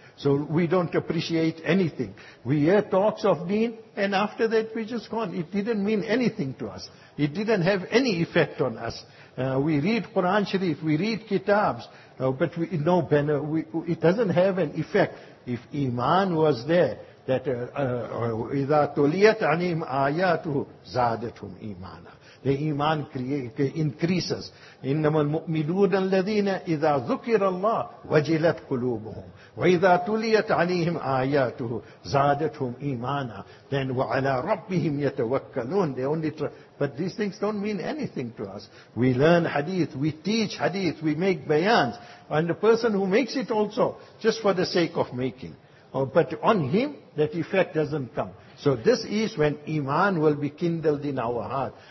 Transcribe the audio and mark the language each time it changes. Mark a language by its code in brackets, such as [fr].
[en] So we don't appreciate anything. We hear talks of deen, and after that we just gone. It didn't mean anything to us. It didn't have any effect on us. We read Quran Sharif, we read kitabs, but we no banner. It doesn't have an effect. If iman was there, that [ar] إِذَا تُلِيَتْ عَنِهِمْ آيَاتُهُ زَادَتْهُمْ إِيمَانًا. [en] The iman increases. [ar] إِنَّمَا الْمُؤْمِنُونَ الَّذِينَ إِذَا ذُكِرَ اللَّهُ وَجِلَتْ قُلُوبُهُمْ وَإِذَا تُلِيَتْ عَلَيْهِمْ آيَاتُهُ زَادَتْهُمْ إِيمَانًا. [en] Then [ar] وَعَلَى رَبِّهِمْ يَتَوَكَّلُونَ. [en] They only try. But these things don't mean anything to us. We learn hadith, we teach hadith, we make bayans. And the person who makes it also, just for the sake of making. But on him, that effect doesn't come. So this is when iman will be kindled in our heart.